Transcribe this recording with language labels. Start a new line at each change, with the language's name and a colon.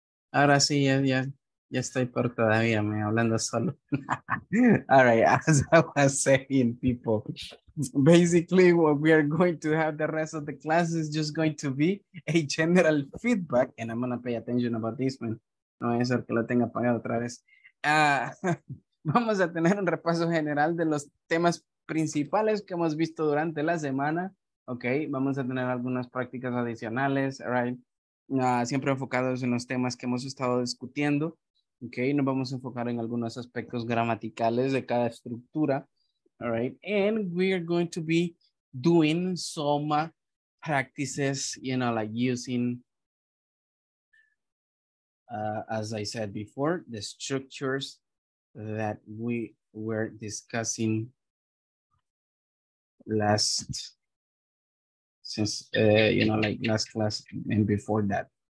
Spanish: Ahora sí, ya estoy por todavía, me hablando solo.
English: All right, as I was saying, people, basically what we are going to have the rest of the class is just going to be a general feedback, and I'm going to pay attention about this one.
Spanish: No voy a hacer que lo tenga apagado otra vez. vamos a tener un repaso general de los temas principales que hemos visto durante la semana, ¿ok? Vamos a tener algunas prácticas adicionales, right? Siempre enfocados en los temas que hemos estado discutiendo, ¿ok? Nos vamos a enfocar en algunos aspectos gramaticales de cada estructura, alright?
English: And we are going to be doing some practices, you know, like using, as I said before, the structures that we were discussing last class and before that.